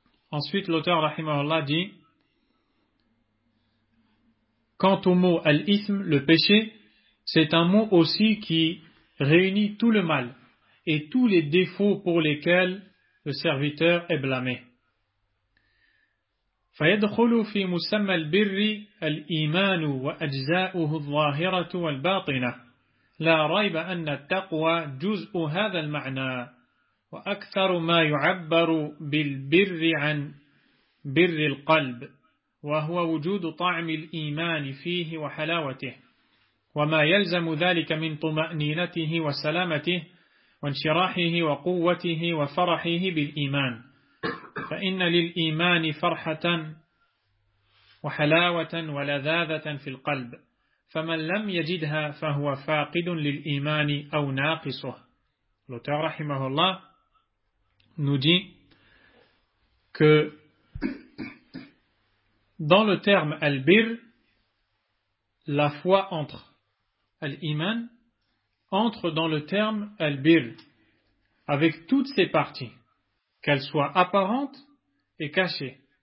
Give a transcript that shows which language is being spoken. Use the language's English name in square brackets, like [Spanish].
[French] Ensuite, l'auteur rahimahullah dit, quant au mot al-ithm, le péché, c'est un mot aussi qui réunit tout le mal et tous les défauts pour lesquels le serviteur est blâmé. [Arabic] فَيَدْخُلُ فِي مُسَمَّ الْبِرِّ الْإِيمَانُ وَأَجْزَاؤُهُ الظَّاهِرَةُ وَالْبَاطِنَةُ لَا رَيْبَ أَنَّ التَّقْوَى جُزْءُ هَذَا الْمَعْنَى وَأَكْثَرُ مَا يُعَبَّرُ بِالْبِرِّ عَنْ بِرِّ الْقَلْبِ وَهُوَ وُجُودُ طَعْمِ الْإِيمَانِ فِيهِ وَحَلَاوَتِهِ وَمَا يَلْزَمُ ذَلِكَ مِنْ طُمَأْنِينَتِهِ وَسَلَامَتِهِ وانشراحه وقوته وفرحه بالإيمان فإن للإيمان فرحة وحلاوة ولذاذة في القلب فمن لم يجدها فهو فاقد للإيمان أو ناقصه. [French] L'auteur rahimahullah nous dit que dans le terme al-birr, la foi entre al-iman, entre dans le terme al-bir avec toutes ses parties, qu'elles soient apparentes et cachées.